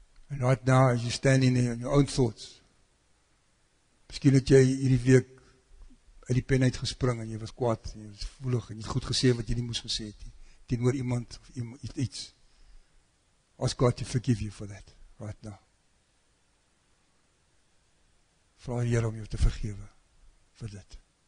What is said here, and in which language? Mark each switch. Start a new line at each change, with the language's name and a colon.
English: And right now, as you're standing there in your own thoughts,
Afrikaans: miskien het jy hierdie week uit die pen uit gespring en jy was kwaad, en jy was voelig en jy het goed gesê wat jy nie moes gesê het, teenoor iemand of iets.
English: Ask God to forgive you for that right now.
Afrikaans: Vraag die Here om jou te vergewe vir dit.